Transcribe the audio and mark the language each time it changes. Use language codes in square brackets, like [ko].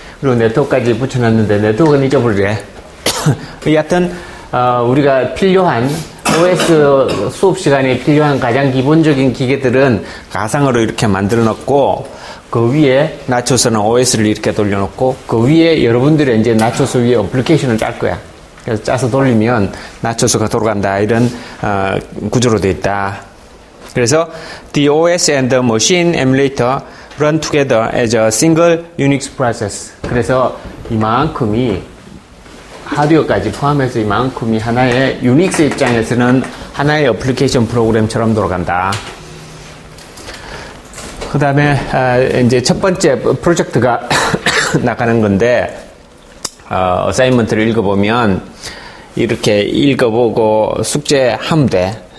[ko] 그리고 네트워크까지 붙여놨는데 네트워크는 잊어버리래. 여하튼 우리가 필요한 OS 수업 시간에 필요한 가장 기본적인 기계들은 가상으로 이렇게 만들어 놓고 그 위에 나초스는 OS를 이렇게 돌려 놓고 그 위에 여러분들이 이제 나초스 위에 어플리케이션을 짤 거야. 그래서 짜서 돌리면 나초스가 돌아간다 이런 구조로 되어 있다. 그래서 [en] the OS and the machine emulator run together as a single Unix process. [ko] 그래서 이만큼이 하드웨어까지 포함해서 이만큼이 하나의 유닉스 입장에서는 하나의 어플리케이션 프로그램처럼 돌아간다. 그 다음에 이제 첫 번째 프로젝트가 나가는 건데 어사인먼트를 읽어보면 이렇게 읽어보고 숙제하면 돼.